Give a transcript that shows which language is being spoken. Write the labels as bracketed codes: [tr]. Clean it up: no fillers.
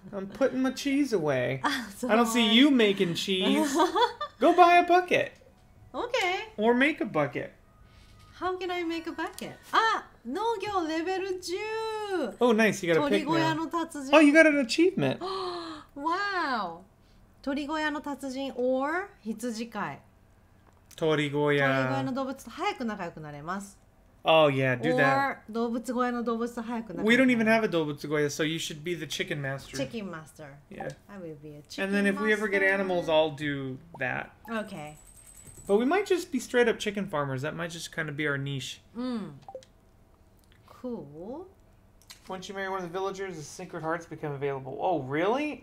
[en] I'm putting my cheese away. I don't see you making cheese. Go buy a bucket. Okay. Or make a bucket. How can I make a bucket? Ah, 農業 level 10. Oh, nice. You got a pick now. Oh, you got an achievement. Wow. [ja] 鳥小屋の達人 or 羊飼い鳥小屋の動物と早く仲良くなれます [en] Oh yeah, do or, that. [ja] Or 動物小屋の動物と早く仲良くなれます [en] We don't even have a 動物小屋, so you should be the chicken master. Chicken master. Yeah. I will be a chicken master. And then if master. We ever get animals, I'll do that. Okay. But we might just be straight up chicken farmers. That might just kind of be our niche. Hmm. Cool. Once you marry one of the villagers, the secret hearts become available. Oh, really?